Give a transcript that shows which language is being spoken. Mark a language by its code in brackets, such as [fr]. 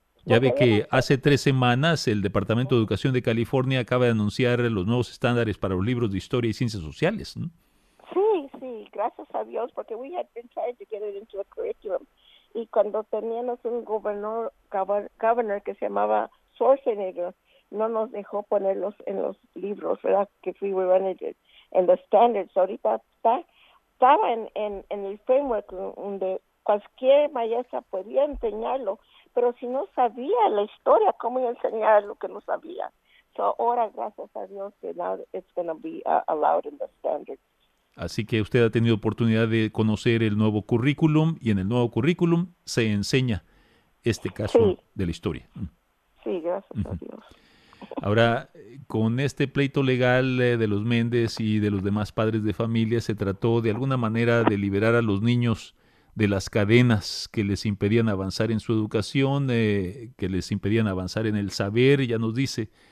[es] Ya ve que hace 3 semanas el Departamento de Educación de California acaba de anunciar los nuevos estándares para los libros de historia y ciencias sociales, ¿no? Sí, gracias a Dios, porque [en] we had been trying to get it into a curriculum. [es] Y cuando teníamos un governor que se llamaba Schwarzenegger, no nos dejó ponerlos en los libros, ¿verdad? [en] Que we were running it in the standards. [es] Ahorita estaba en el framework donde cualquier maestra podía enseñarlo. Pero si no sabía la historia, ¿cómo iba a enseñar lo que no sabía? [en] So [es] ahora, gracias a Dios, que [en] now it's going to be allowed in the standards. [es] Así que usted ha tenido oportunidad de conocer el nuevo currículum y en el nuevo currículum se enseña este caso sí. De la historia. Sí, gracias a Dios. Ahora, con este pleito legal de los Méndez y de los demás padres de familia, ¿se trató de alguna manera de liberar a los niños de las cadenas que les impedían avanzar en su educación, que les impedían avanzar en el saber, ya nos dice?